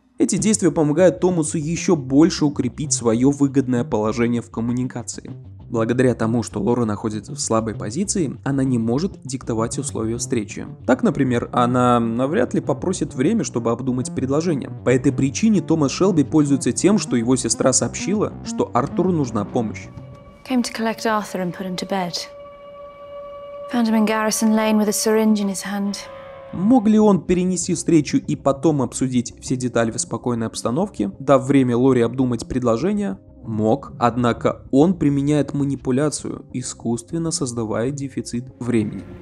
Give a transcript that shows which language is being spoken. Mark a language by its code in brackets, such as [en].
[ru] Эти действия помогают Томасу еще больше укрепить свое выгодное положение в коммуникации. Благодаря тому, что Лора находится в слабой позиции, она не может диктовать условия встречи. Так, например, она навряд ли попросит время, чтобы обдумать предложение. По этой причине Томас Шелби пользуется тем, что его сестра сообщила, что Артуру нужна помощь. [en] Came to collect Arthur and put him to bed. Found him in Garrison Lane with a syringe in his hand. [ru] Мог ли он перенести встречу и потом обсудить все детали в спокойной обстановке, дав время Лоре обдумать предложение? Мог, однако он применяет манипуляцию, искусственно создавая дефицит времени.